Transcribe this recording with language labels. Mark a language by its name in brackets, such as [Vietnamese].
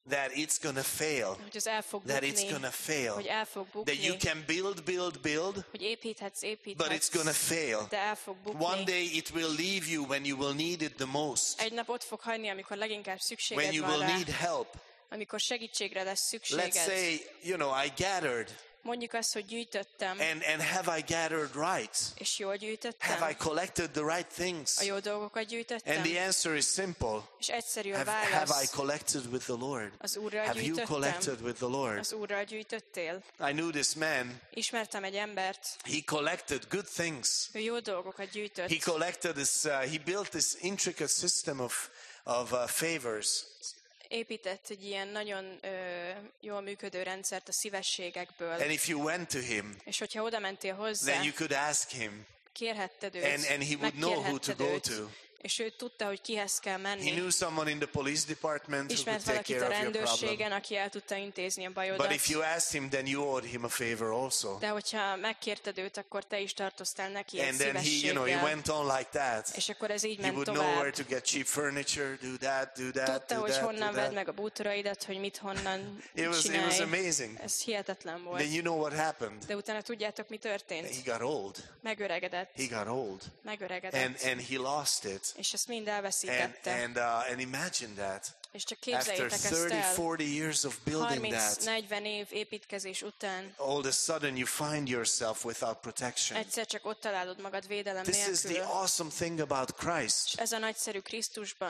[English] that it's gonna fail, that it's gonna fail, that you can build, [Hungarian] hogy építhetsz, [English] but it's gonna fail. [Hungarian] De el fog bukni. [English] One day it will leave you when you will need it the most. [Hungarian] Egy nap ott fog hagyni, amikor leginkább szükséged van rá. [English] When you will need help. [Hungarian] Amikor segítségre lesz szükséged. [English] Let's say, you know, I gathered. [Hungarian] Mondjuk azt, hogy gyűjtöttem. [English] And have I gathered right? [Hungarian] És jól gyűjtöttem. [English] Have I collected the right things? [Hungarian] A jó dolgokat gyűjtöttem. [English] And the answer is simple. [Hungarian] És egyszerű a válasz. [English] Have I collected with the Lord? [Hungarian] Az Úrral gyűjtöttem. [English] Have you collected with the Lord? [Hungarian] Az Úrral gyűjtöttél. [English] I knew this man. [Hungarian] Ismertem egy embert. [English] He collected good things. [Hungarian] Ő jó dolgokat gyűjtött. [English] He collected this. He built this intricate system of favors. [Hungarian] Épített egy ilyen nagyon jól működő rendszert a szívességekből. [English] And if you went to him, [Hungarian] és hogyha oda mentél hozzá, [English] then you could ask him, [Hungarian] kérhetted őt, [English] and he would know who to go to. [Hungarian] És ő tudta, hogy kihez kell menni. [English] He knew someone in the police department who could take care of your problem. [Hungarian] Aki el tudta intézni a bajodat. [English] But if you asked him, then you owed him a favor also. [Hungarian] De hogyha megkérted őt, akkor te is tartoztál neki egy szívességgel. [English] And then he, you know, he went on like that. [Hungarian] És akkor ez így ment tovább. [English] He would know where to get cheap furniture, do that. [Hungarian] Tudta, hogy honnan vedd meg a bútoraidat, hogy mit honnan csinálj. [English] It was amazing. [Hungarian] Ez hihetetlen volt. [English] Then you know what happened. [Hungarian] De utána tudjátok, mi történt. [English] He got old. [Hungarian] Megöregedett. [English] He got old. [Hungarian] Megöregedett. [English] And he lost it. [Hungarian] És ezt mind elveszítette. [English] And imagine that. [Hungarian] És csak képzeljétek ezt el. 30-40 év építkezés után. [English] All of a sudden you find yourself without protection. [Hungarian] Egyszer csak ott találod magad védelem nélkül. [English] This is the awesome thing about Christ. [Hungarian] Ez a nagyszerű Krisztusban.